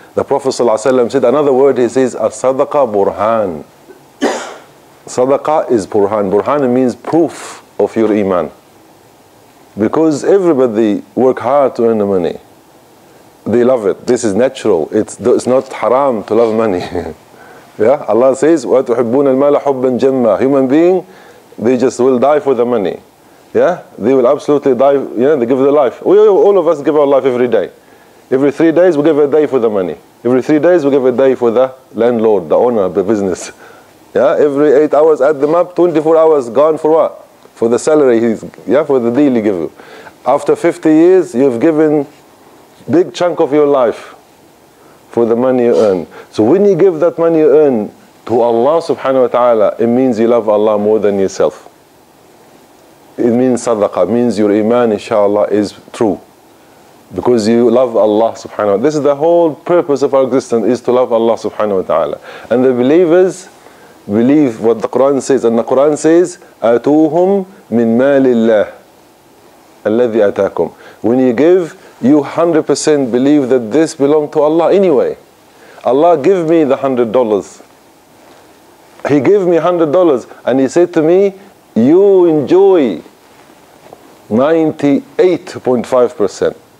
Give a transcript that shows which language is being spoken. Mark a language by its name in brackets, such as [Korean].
[English] The Prophet ﷺ said another word, he says, As-sadaqa burhan. Sadaqa is burhan. Burhan means proof of your iman. Because everybody work hard to earn the money. They love it. This is natural. It's not haram to love money. Yeah? Allah says, [Arabic] وَتُحِبُّونَ الْمَالَ حُبًّا جَمَّا. [English] Human being, they just will die for the money. Yeah? They will absolutely die. Yeah? They give their life. All of us give our life every day. Every 3 days, we give a day for the money. Every 3 days, we give a day for the landlord, the owner of the business. Yeah. Every 8 hours, add them up, 24 hours gone for what? For the salary, for the deal he gives you. After 50 years, you've given big chunk of your life for the money you earn. So when you give that money you earn to Allah subhanahu wa ta'ala, it means you love Allah more than yourself. It means sadaqah, it means your iman, inshallah, is true. Because you love Allah subhanahu wa ta'ala. This is the whole purpose of our existence, is to love Allah subhanahu wa ta'ala. And the believers believe what the Quran says. And the Quran says, [Arabic] أَتُوهُمْ مِنْ مَالِ اللَّهِ الَّذِي أَتَاكُمْ. [English] When you give, you 100% believe that this belongs to Allah anyway. Allah give me the $100. He gave me $100 and He said to me, you enjoy 98.5%.